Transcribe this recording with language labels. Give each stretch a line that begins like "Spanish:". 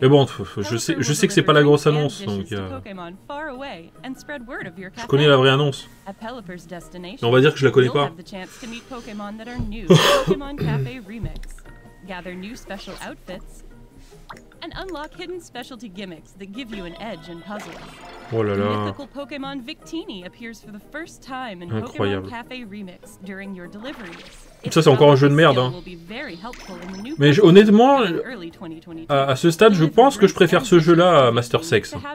French: Mais bon, je sais que c'est pas la grosse annonce, donc je connais la vraie annonce. Mais on va dire que je la connais pas.
English: Pokémon Café Remix. Gather new special outfits and unlock hidden specialty gimmicks that give you an edge in puzzles.
French: Oh là là.
English: The mythical Pokémon Victini appears for the first time in Pokémon Café Remix during your deliveries.
French: Ça, c'est encore un jeu de merde. Hein. Mais honnêtement, à ce stade, je pense que je préfère ce jeu-là à Master Sex.